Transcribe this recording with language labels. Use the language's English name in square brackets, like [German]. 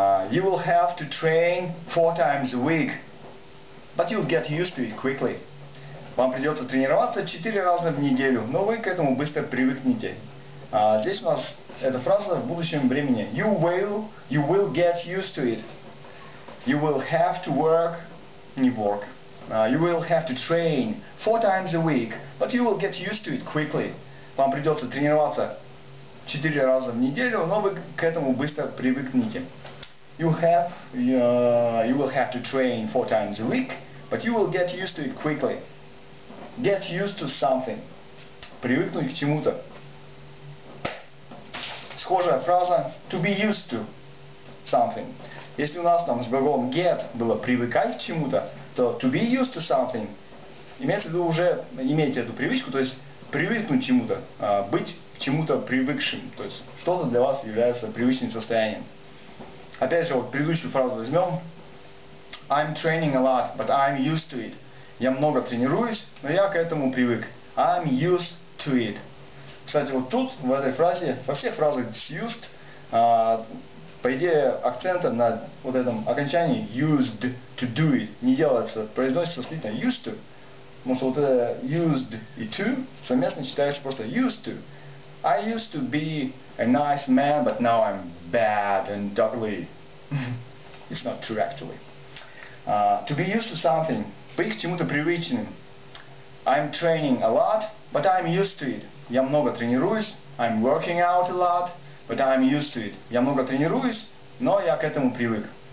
[English] You will have to train 4 times a week, but you'll get used to it quickly. [Russian] Вам придется тренироваться 4 раза в неделю, но вы к этому быстро привыкнете. Здесь у нас эта фраза в будущем времени. [English] You will get used to it. You will have to work, не work, You will have to train 4 times a week, but you will get used to it quickly. [Russian] Вам придется тренироваться 4 раза в неделю, но вы к этому быстро привыкнете. [English] You will have to train 4 times a week, but you will get used to it quickly. Get used to something. Привыкнуть к чему-то. Схожая фраза to be used to something. [Russian] Если у нас там с глаголом get было привыкать к чему-то, то to be used to something имеет в виду уже иметь эту привычку, то есть привыкнуть к чему-то, быть к чему-то привыкшим, то есть что-то для вас является привычным состоянием. Опять же, вот предыдущую фразу возьмем. [English] I'm training a lot, but I'm used to it. [Russian] Я много тренируюсь, но я к этому привык. [English] I'm used to it. [Russian] Кстати, вот тут, в этой фразе, во всех фразах used, по идее, акцента на вот этом окончании used to do it не делается, произносится слитно used to. Потому что вот это used и to совместно читается просто used to. [English] I used to be a nice man, but now I'm bad and ugly. It's not true, actually. To be used to something. [Russian] Быть к чему-то привычным. [English] I'm training a lot, but I'm used to it. [Russian] Я много тренируюсь. [English] I'm working out a lot, but I'm used to it. [Russian] Я много тренируюсь, но я к этому привык.